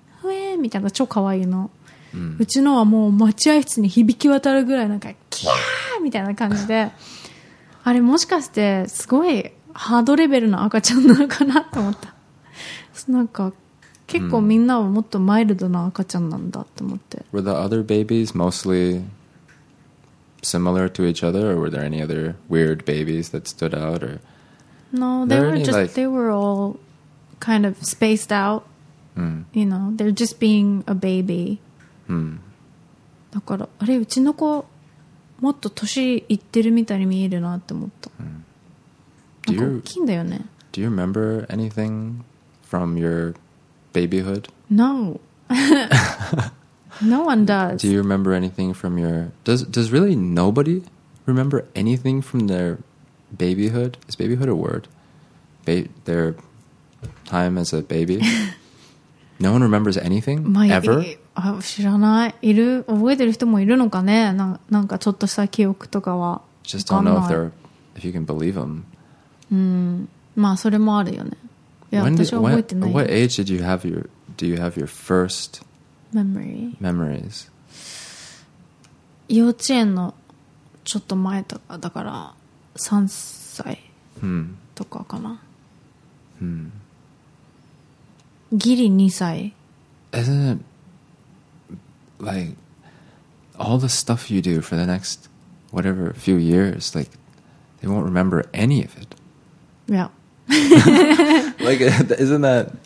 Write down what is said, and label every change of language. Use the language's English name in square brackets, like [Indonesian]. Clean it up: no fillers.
[Japanese] ふえーみたいな超可愛いの。うちのはもう待合室に響き渡るぐらいなんかキャーみたいな感じで、あれもしかしてすごいハードレベルの赤ちゃんなのかなと思った。なんか結構みんなはもっとマイルドな赤ちゃんなんだって思って。 [English] Were the other babies mostly similar to each other, or were there any other weird babies that stood out? Or no, they were just like... they were all kind of spaced out.、You know, they're just being a baby. [Japanese] だからあれうちの子もっと年いってるみたいに見えるなって思った。なんか大きいんだよね。 [English] Do you remember anything from your babyhood? No. No one does. Do you remember anything from your? Does really nobody remember anything from their babyhood? Is babyhood a word? Their time as a baby. No one remembers anything ever. [Japanese] あ、知らない、いる、覚えてる人もいるのかね、なんかちょっとした記憶とかは。 [English] Just don't know if you can believe them. [Japanese] まあそれもあるよね。いや、私は覚えてない。 [English] What age did you have your first memories? [Japanese] 幼稚園のちょっと前とか、だから3歳とかかな。ギリ2歳。 [English] Isn't it like all the stuff you do for the next whatever few years, like they won't remember any of it? Yeah. Like, isn't that?